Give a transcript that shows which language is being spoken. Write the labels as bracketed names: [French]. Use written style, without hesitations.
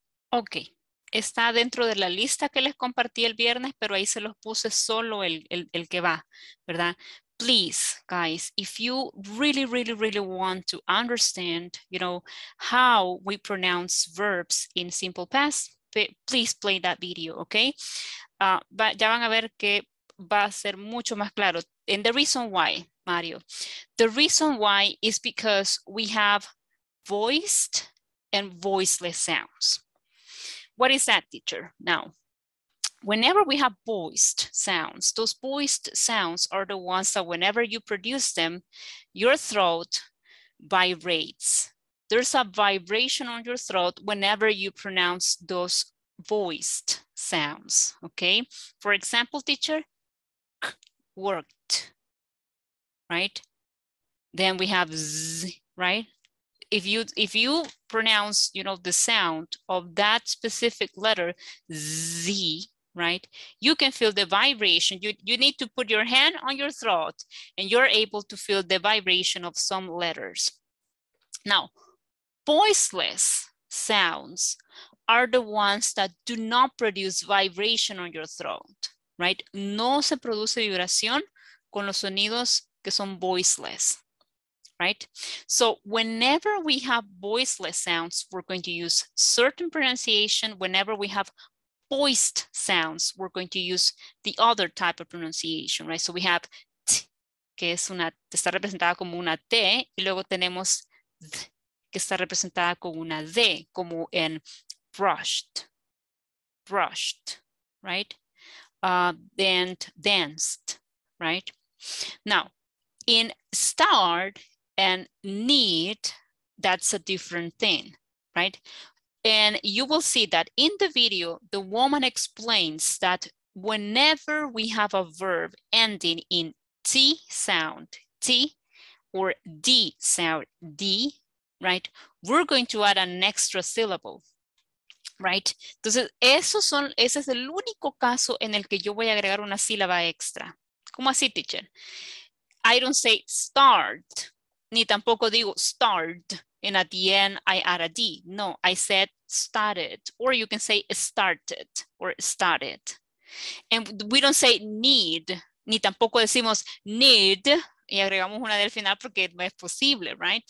[Spanish] Ok, está dentro de la lista que les compartí el viernes, pero ahí se los puse solo el que va, ¿verdad? [English] Please, guys, if you really, really, really want to understand, you know, how we pronounce verbs in simple past, please play that video, ¿ok? [Spanish] Ya van a ver que va a ser mucho más claro. [English] And the reason why, Mario, the reason why is because we have voiced and voiceless sounds. What is that, teacher? Now, whenever we have voiced sounds, those voiced sounds are the ones that whenever you produce them, your throat vibrates. There's a vibration on your throat whenever you pronounce those voiced sounds, okay? For example, teacher, worked, right? Then we have z, right? If you pronounce, you know, the sound of that specific letter, Z, right? You can feel the vibration. You need to put your hand on your throat and you're able to feel the vibration of some letters. Now, voiceless sounds are the ones that do not produce vibration on your throat, right? [Spanish] No se produce vibración con los sonidos que son voiceless, right? [English] So whenever we have voiceless sounds, we're going to use certain pronunciation. Whenever we have voiced sounds, we're going to use the other type of pronunciation, right? So we have [Spanish] t, que es una, está representada como una t, y luego tenemos d, que está representada con una d, como en brushed, brushed, right? [English] And danced, right? Now, in start and need, that's a different thing, right? And you will see that in the video, the woman explains that whenever we have a verb ending in T sound, T or D sound, D, right? We're going to add an extra syllable, right? [Spanish] Entonces, ese es el único caso en el que yo voy a agregar una sílaba extra. ¿Cómo así, teacher? [English] I don't say start, [Spanish] ni tampoco digo start, [English] and at the end I add a D. No, I said started, or you can say started, or started. And we don't say need, [Spanish] ni tampoco decimos need, y agregamos una del final porque no es posible, right?